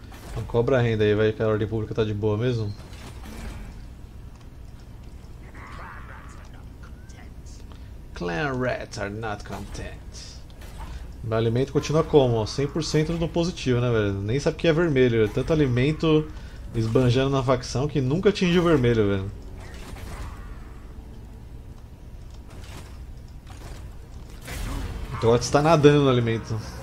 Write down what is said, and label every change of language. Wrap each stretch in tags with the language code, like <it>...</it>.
<pt>Então cobra a renda aí, vai que a ordem pública tá de boa mesmo.</pt> <en>Clan rats are not content.</en> <pt>Meu alimento continua como? 100% no positivo, né, velho? Nem sabe que é vermelho. Tanto alimento esbanjando na facção que nunca atingiu vermelho, velho. Trotz tá nadando no alimento.</pt>